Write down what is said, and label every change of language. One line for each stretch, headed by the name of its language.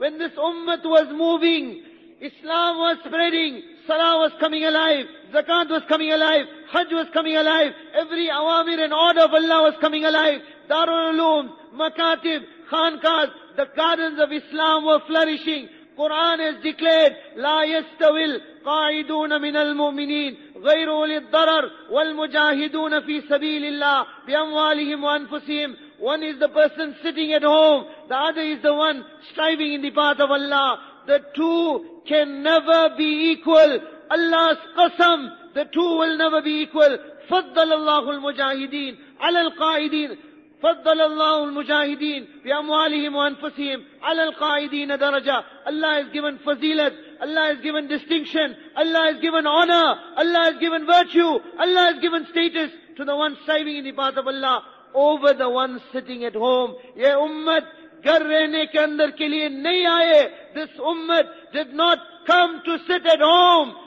English: When this ummah was moving, Islam was spreading, Salah was coming alive, Zakat was coming alive, Hajj was coming alive, every awamir and order of Allah was coming alive. Darul Uloom, Makatib, Khankas, the gardens of Islam were flourishing. Quran has declared,
Arabic: لا يستويل قاعدون من المؤمنين غير أولي الضرر والمجاهدون في سبيل الله بأموالهم وأنفسهم.
English: One is the person sitting at home, the other is the one striving in the path of Allah. The two can never be equal. Allah's qasam, the two will never be equal.
Arabic: فضل الله المجاهدين على القاعدين. فضل الله المجاهدين بأموالهم وأنفسهم على القاعدين درجة.
English: Allah has given fazilat, Allah has given distinction, Allah has given honor, Allah has given virtue, Allah has given status to the one striving in the path of Allah over the one sitting at home.
Urdu: Ye ummat ghar rehne ke andar ke liye nahi aaye.
English: This ummat did not come to sit at home.